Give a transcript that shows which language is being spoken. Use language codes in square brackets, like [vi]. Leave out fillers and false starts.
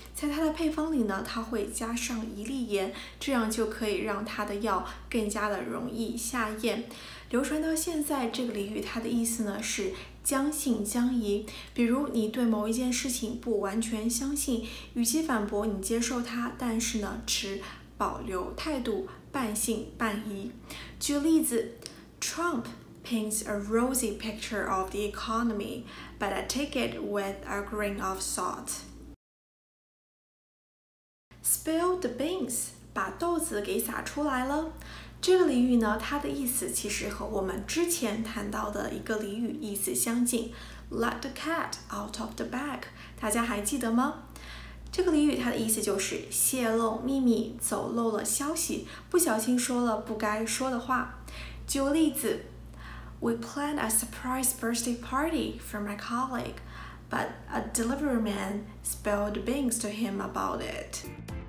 [zh] 在他的配方里呢他会加上一粒盐，这样就可以让他的药更加的容易下咽。流传到现在，这个俚语它的意思呢是将信将疑。比如你对某一件事情不完全相信，与其反驳你接受它，但是呢持保留态度，半信半疑。举例子， [en] Trump paints a rosy picture of the economy, but I take it with a grain of salt. Spill the beans, [zh] 把豆子给洒出来了。这个俚语呢它的意思其实和我们之前谈到的一个俚语意思相近， [en] Let the cat out of the bag， [zh] 大家还记得吗？这个俚语它的意思就是泄露秘密，走漏了消息，不小心说了不该说的话。举个例子， [en] We planned a surprise birthday party for my colleague, but a delivery man spilled beans to him about it.